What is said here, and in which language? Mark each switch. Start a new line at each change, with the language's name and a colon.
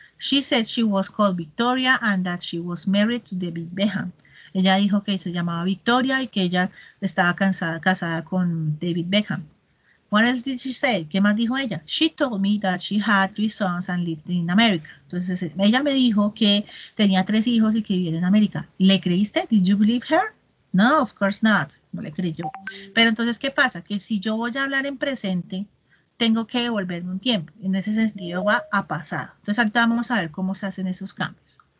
English: She said she was called Victoria and that she was married to David Beckham.
Spanish: Ella dijo que se llamaba Victoria y que ella estaba casada con David Beckham.
English: What else did she say?
Spanish: ¿Qué más dijo ella?
English: She told me that she had 3 sons and lived in America.
Spanish: Entonces, ella me dijo que tenía 3 hijos y que vivía en América. ¿Le creíste?
English: Did you believe her? No, of course not.
Spanish: No le creyó. Pero entonces, ¿qué pasa? Que si yo voy a hablar en presente, tengo que devolverme un tiempo. En ese sentido, va a pasado. Entonces, ahorita vamos a ver cómo se hacen esos cambios.